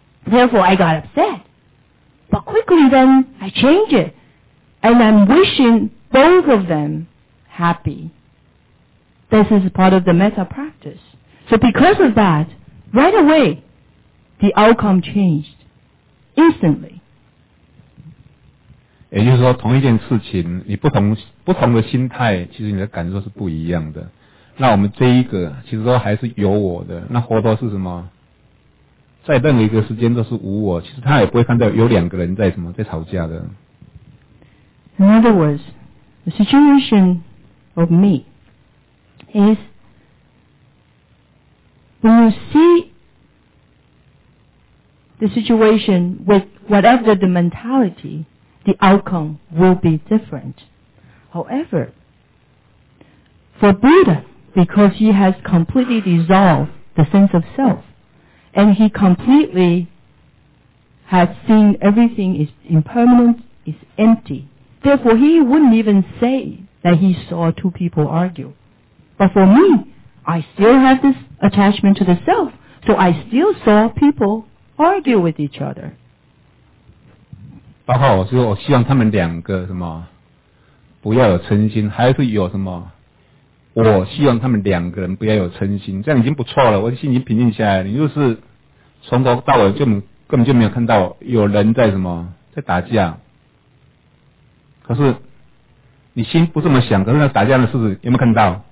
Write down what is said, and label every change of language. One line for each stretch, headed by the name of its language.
English: Therefore, I got upset. But quickly then, I changed it. And I'm wishing both of them happy. This is part of the metta practice. So because of that, right away, the outcome changed. Instantly.
Chinese: 也就是说，同一件事情，你不同的心态，其实你的感受是不一样的。那我们这一个，其实都还是有我的。那佛陀是什么？在任何一个时间都是无我，其实他也不会看到有两个人在什么在吵架的。
English: In other words, the situation of me is when you see the situation with whatever the mentality, the outcome will be different. However, for Buddha, because he has completely dissolved the sense of self,And he completely has seen everything is impermanent, is empty. Therefore, he wouldn't even say that he saw two people argue. But for me, I still have this attachment to the self, so I still saw people argue with each other.
Chinese: 包括我说，我希望他们两个什么不要有嗔心，还是有什么？我希望他们两个人不要有嗔心，这样已经不错了。我的心已经平静下来了，你就是。从头到尾就根本就没有看到有人在什么在打架，可是你心不这么想，可是那打架的事实有没有看到？